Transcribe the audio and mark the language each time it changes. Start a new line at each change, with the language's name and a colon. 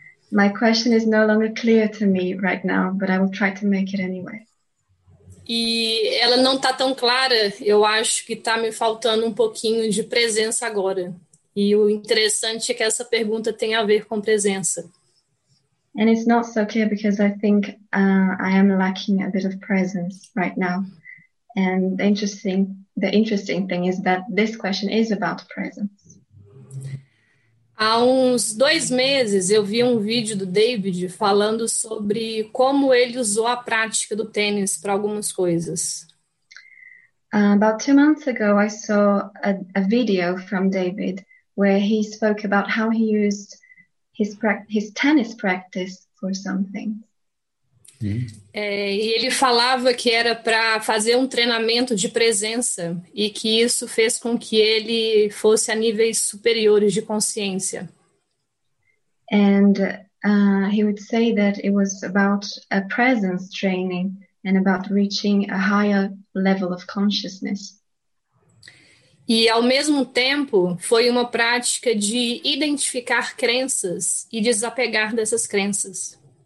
English: My question is no longer clear to me right now, but I will try to make it anyway.
Portuguese: E ela não está tão clara, eu acho que está me faltando um pouquinho de presença agora. E o interessante é que essa pergunta tem a ver com presença.
English: And it's not so clear because I think I am lacking a bit of presence right now. And the interesting thing is that this question is about presence.
Portuguese: Há uns dois meses eu vi um vídeo do David falando sobre como ele usou a prática do tênis para algumas coisas.
English: About 2 months ago I saw a video from David where he spoke about how he used his tennis practice for something.
Portuguese: É, e ele falava que era para fazer um treinamento de presença e que isso fez com que ele fosse a níveis superiores de consciência.
English: And he would say that it was about a presence training and about reaching a higher level of consciousness.
Portuguese: E ao mesmo tempo, foi uma prática de identificar crenças e desapegar dessas crenças.